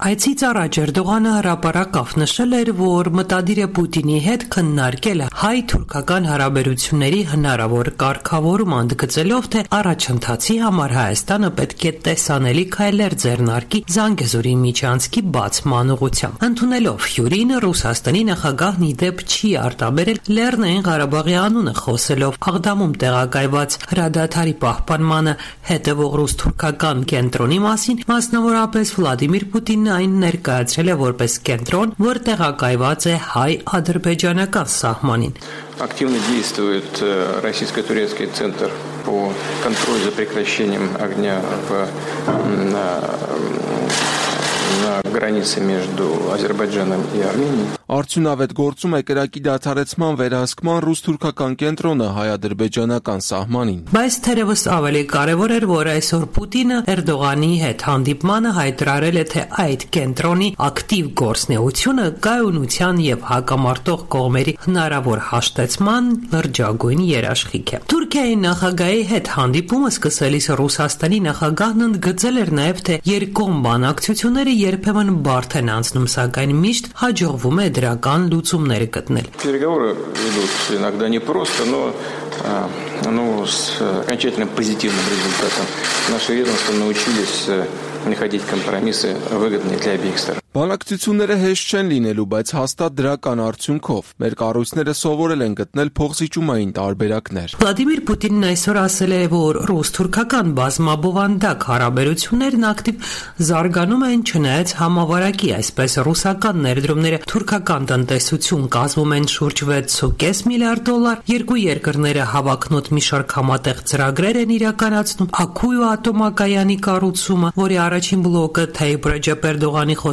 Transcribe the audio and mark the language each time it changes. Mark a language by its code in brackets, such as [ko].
[hy] Այցից առաջ Էրդողանը հրապարակավ նշել էր, որ մտադիր է Պուտինի հետ քննարկել հայ-թուրքական հարաբերությունների հնարավոր կարգավորում, անդգծելով, թե առաջընթացի համար Հայաստանը պետք է տեսանելի քայլեր ձեռնարկի Զանգեզուրի միջանցքի բացման ուղղությամբ։ Ընդունելով հյուրին, Ռուսաստանի նախագահն ի դեպ չի արտաբերել Լեռնային Ղարաբաղի անունը, խոսելով Աղդամում տեղակայված հրադադարի պահպանմանը հետևող ռուս-թուրքական կենտրոնի մասին, մասնավորապես Վլադիմիր Պուտինն այն ներկայացրել է որպես կենտրոն, որ տեղակայված է հայ-ադրբեջանական սահմանին։ [ru] Активно действует российско-турецкий центр по контролю за прекращением огня на границе между Азербайджаном и Арменией. [hy] Արդյունավետ գործում է կրակի դադարեցման վերահսկման ռուս-թուրքական կենտրոնը հայ-ադրբեջանական սահմանին։ Բայց թերևս ավելի կարևոր էր, որ այսօր Պուտինը Էրդողանի հետ հանդիպմանը հայտարարել է, թե այդ կենտրոնի ակտիվ գործնեությունը գայունության և հակամարտող կողմերի հնարավոր հաշտեցման լրջագույն երաշխիք է։ Թուրքիայի նախագահի հետ հանդիպումը սկսելիս Ռուսաստանի նախագահն ընդգծել էր նաև, թե երկկողմ բանակցությունները երբեմն բարդ են անցնում, սակայն միշտ հաջողվում է դրական լուծումներ գտնել։ [ru] Переговоры идут иногда непросто, но с окончательным позитивным результатом. Наши ведомства научились находить компромиссы выгодные для обеих сторон. [hy] Բանակցությունները հեշտ չեն լինելու, բայց հաստատ դրական արդյունքով։ Մեր կառույցները սովորել են գտնել փոխզիջումային տարբերակներ։ Վլադիմիր Պուտինն այսօր ասել է, որ ռուս-թուրքական բազմաբովանդակ հարաբերություններն ակտիվ զարգանում են, չնայած համավարակի, այսպես ռուսական ներդրումները թուրքական տնտեսություն կազմում են շուրջ 6.5 միլիարդ դոլար, երկու երկրները հավակնոտ մի շարք համատեղ ծրագրեր են իրականացնում, Աքույո ատոմակայանի կառուցումը, որի առաջին բլոկը Թայիպ Ռեջեփ Էրդողանի